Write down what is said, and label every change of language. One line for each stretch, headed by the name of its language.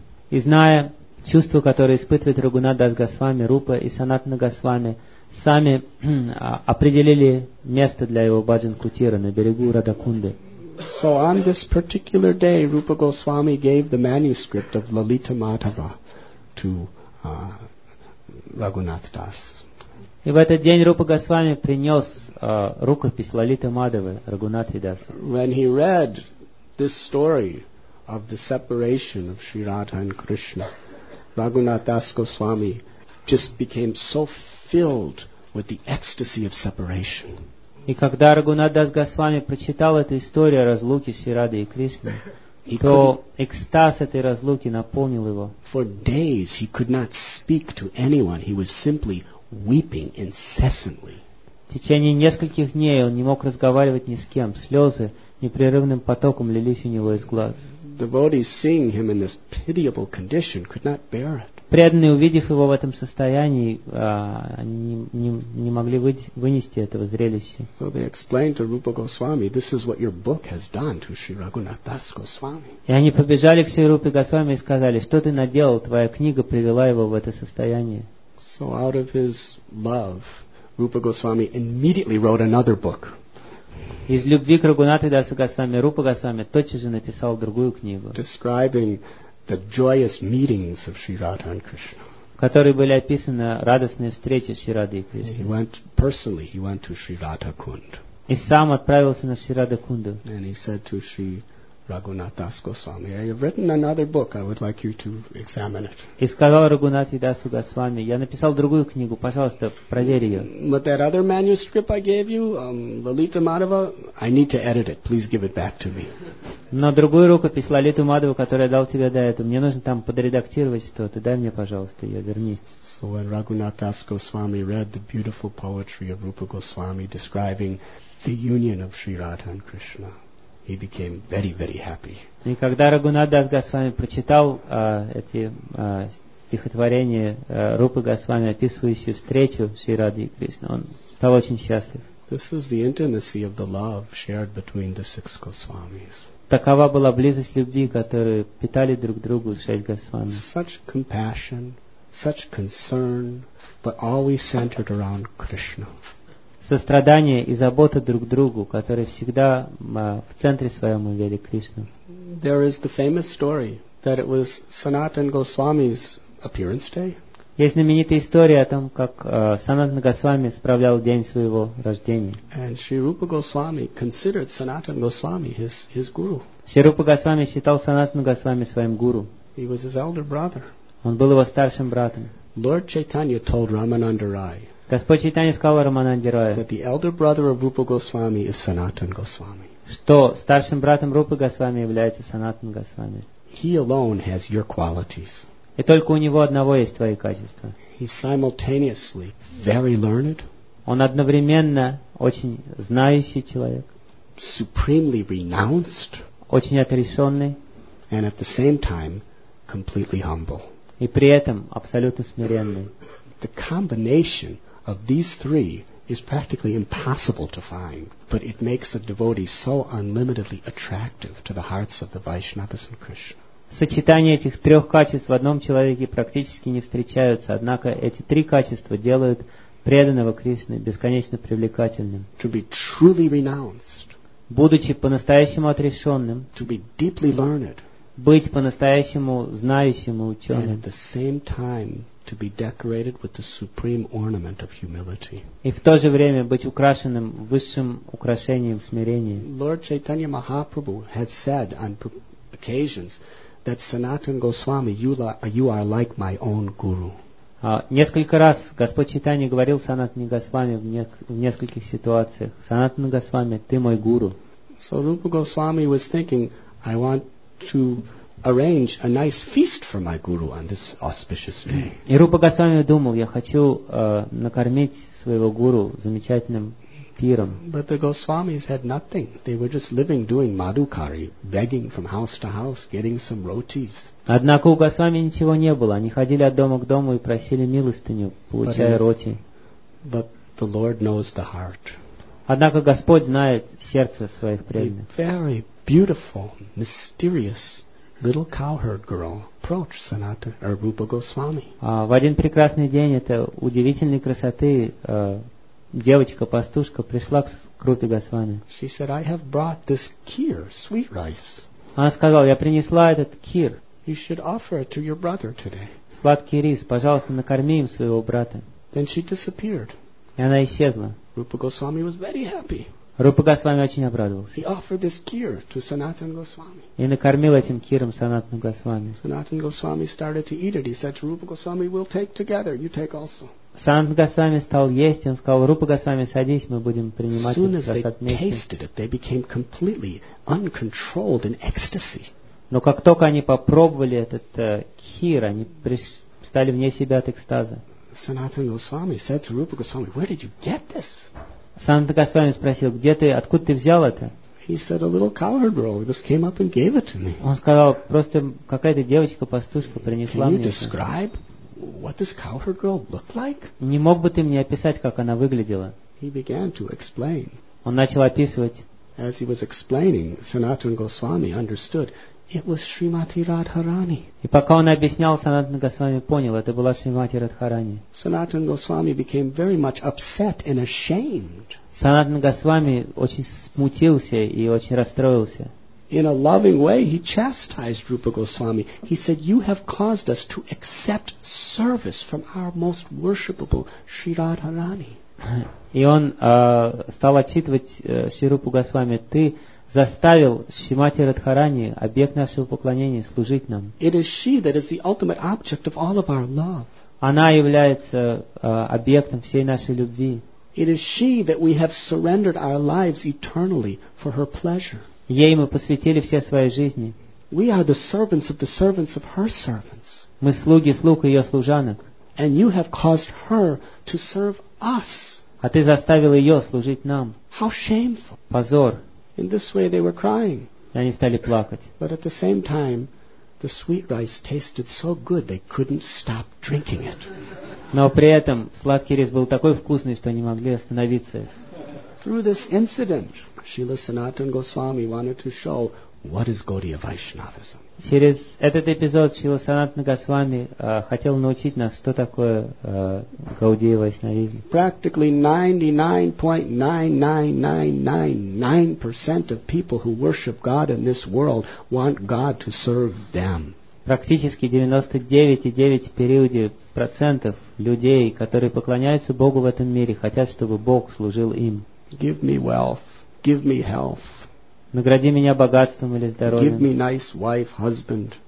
Russian: И зная чувства, которые испытывает Рагунатх Дас Госвами, Рупа и Санатана Госвами сами определили место для его баджан-кутира на берегу Радакунды.
English: So on this particular day, Rupa Goswami gave the manuscript of Lalita Madhava to Рагунатх Дас.
Russian: И в этот день Рупа Госвами принес рукопись Лалиты Мадхавы Рагунатхи Дасу.
English: When he read this story of the separation of Sri Radha and Krishna, Рагунатх Дас Госвами just became so filled with the ecstasy of separation.
Russian: И когда Рагунатх Дас Госвами прочитал эту историю о разлуке Шри Радхи и Кришны, то экстаз этой разлуки наполнил его.
English: For days he could not speak to anyone. He was simply weeping incessantly.
Russian: В течение нескольких дней он не мог разговаривать ни с кем. Слезы непрерывным потоком лились у него из глаз.
English: Devotees, seeing him in this pitiable condition, could not bear it.
Russian: Преданные, увидев его в этом состоянии, не могли вынести этого зрелища.
English: So they explained to Rupa Goswami, this is what your book has done to Sri Рагунатх Дас Госвами.
Russian: И они побежали к Шри Рупе Госвами и сказали, что ты наделал, твоя книга привела его в это состояние.
English: So out of his love, Rupa Goswami immediately wrote another book.
Russian: Из любви к Рагунатху Дасу Госвами, Рупа Госвами тотчас же написал другую книгу.
English: Describing the joyous meetings of Sri Radha and Krishna.
Russian: Которые были описаны радостные встречи Шри Радхи и Кришны.
English: He went personally. He went to Sri Radha Kund.
Russian: И сам отправился на Шри Радха Кунду.
English: And he said to Sri Рагунатх Дас Госвами, "I have written another book. I would like you to examine it."
Russian: И сказал Рагунатх Дасу Госвами, "Я написал другую книгу. Пожалуйста, проверь ее."
English: But that other manuscript I gave you, Lalita Madhava, I need to edit it. Please give it back to me.
Russian: Но другую рукопись Лалиту Мадхаву, которую я дал тебе до этого, мне нужно там подредактировать что-то. Дай мне, пожалуйста, ее верни.
English: So when Рагунатх Дас Госвами read the beautiful poetry of Rupa Goswami describing the union of Sri Radha and Krishna, he became very, very happy.
Russian: И когда Рагунатх Дас Госвами прочитал эти стихотворения Рупы Госвами, описывающие встречу Шри Радхи и Кришны, он стал очень счастлив.
English: This is the intimacy of the love shared between the six Goswamis.
Russian: Такова была близость любви, которую питали друг другу шесть госвами.
English: Such compassion, such concern, but always centered around Krishna.
Russian: Сострадание и забота друг другу, которые всегда в центре своем имели Кришну.
English: There is the famous story that it was Sanatan Goswami's appearance day.
Russian: Есть знаменитая история о том, как Санатан Госвами справлял день своего рождения.
English: And Sri Rupa Goswami considered Sanatan Goswami his guru.
Russian: Sri Rupa Goswami считал Санатана Госвами своим гуру.
English: He was his elder brother.
Russian: Он был его старшим братом.
English: Lord Chaitanya told Ramananda Rai.
Russian: Господь Чайтанья сказал Рамананде Рае.
English: That the elder brother of Rupa Goswami is Sanatan Goswami.
Russian: Что старшим братом Рупы Госвами является Санатан Госвами.
English: He alone has your qualities.
Russian: И только у него одного есть твои качества.
English: He's simultaneously very learned.
Russian: Он одновременно очень знающий человек.
English: Supremely renounced.
Russian: Очень отрешенный.
English: And at the same time, completely humble.
Russian: И при этом абсолютно смиренный.
English: The combination of these three is practically impossible to find, but it makes a devotee so unlimitedly attractive to the hearts of the Vaishnavas and Krishna.
Russian: Сочетание этих трех качеств в одном человеке практически не встречаются, однако эти три качества делают преданного Кришны бесконечно привлекательным.
English: To be truly renounced,
Russian: будучи по-настоящему отрешенным,
English: to be deeply learned,
Russian: быть по-настоящему знающим и ученым,
English: and at the same time to be decorated with the supreme ornament of humility.
Russian: И в то же время быть украшенным высшим украшением смирения.
English: Lord Chaitanya Mahaprabhu had said on occasions that Sanatan Goswami, you are like my own guru.
Russian: Несколько раз Господь Чайтанья говорил Санатане Госвами в нескольких ситуациях: Санатан Госвами, ты мой гуру.
English: So Rupa Goswami was thinking, I want to arrange a nice feast for my guru on this auspicious day.
Russian: И Рупа Госвами думал, я хочу накормить своего гуру замечательным пиром.
English: But the Goswamis had nothing. They were just living, doing madhukari, begging from house to house, getting some rotis.
Russian: Однако у Госвами ничего не было. Они ходили от дома к дому и просили милостыню, получая роти.
English: But the Lord knows the heart.
Russian: Однако Господь знает сердце своих преданных.
English: A very beautiful, mysterious little cowherd girl approached Sanatan or Rupa Goswami.
Russian: В один прекрасный день эта удивительной красоты девочка-пастушка пришла к Рупе Госвами.
English: She said, "I have brought this kheer, sweet rice."
Russian: Она сказала, я принесла этот кхир.
English: You should offer it to your brother today.
Russian: Сладкий рис, пожалуйста, накорми им своего брата.
English: Then she disappeared.
Russian: И она исчезла.
English: Rupa Goswami was very happy.
Russian: Рупа Госвами очень обрадовался.
English: He offered this kheer to Sanatan Goswami.
Russian: И накормил этим кхиром Санатану Госвами.
English: Sanatan Goswami started to eat it. He said to Rupa Goswami, "We'll take together. You take also."
Russian: Санатан Госвами стал есть, он сказал: "Рупа Госвами, садись, мы будем принимать этот рис вместе."
English: Soon as they tasted it, they became completely uncontrolled in ecstasy.
Russian: Но как только они попробовали этот кхир, они стали вне себя от экстаза.
English: Sanatan Goswami said to Rupa Goswami, "Where did you get this?"
Russian: Санатан Госвами спросил: "Где ты, откуда ты взял это?"
English: He said, "A little cowherd girl just came up and gave it to me."
Russian: Он сказал: "Просто какая-то девочка-пастушка принесла мне это."
English: Can you describe what this cowherd girl looked like?
Russian: Не мог бы ты мне описать, как она выглядела?
English: He began to explain.
Russian: Он начал описывать.
English: As he was explaining, Sanatan Goswami understood it was Srimati Radharani.
Russian: И пока он объяснял, Санатан Госвами понял, это была Шримати Радхарани.
English: Sanatan Goswami became very much upset and ashamed.
Russian: Санатан Госвами очень смутился и очень расстроился.
English: In a loving way, he chastised Rupa Goswami. He said, "You have caused us to accept service from our most worshipable Sri Radharani."
Russian: И он стал отчитывать Шри Рупу Госвами: "Ты заставил Шримати Радхарани, объект нашего поклонения, служить нам."
English: It is she that is the ultimate object of all of our love.
Russian: Она является объектом всей нашей любви.
English: It is she that we have surrendered our lives eternally for her pleasure.
Russian: Ей мы посвятили все свои жизни.
English: We are the servants of the servants of her servants.
Russian: Мы слуги слуг ее служанок.
English: And you have caused her to serve us.
Russian: А ты заставил ее служить нам.
English: How shameful.
Russian: Позор.
English: In this way they were crying.
Russian: И они стали плакать.
English: But at the same time, the sweet rice tasted so good they couldn't stop drinking it.
Russian: Но при этом сладкий рис был такой вкусный, что они могли остановиться.
English: Through this incident, Srila Sanatan Goswami wanted to show what is Gaudiya Vaishnavism.
Russian: Через этот эпизод Шрила Санатана Госвами хотел научить нас, что такое Гаудия Вайшнавизм.
English: Practically 99.9999% of people who worship God in this world want God to serve them.
Russian: Практически 99.9% людей, которые поклоняются Богу в этом мире, хотят, чтобы Бог служил им.
English: Give me wealth, give me health.
Russian: Награди меня богатством или здоровьем.
English: Give me nice wife, husband.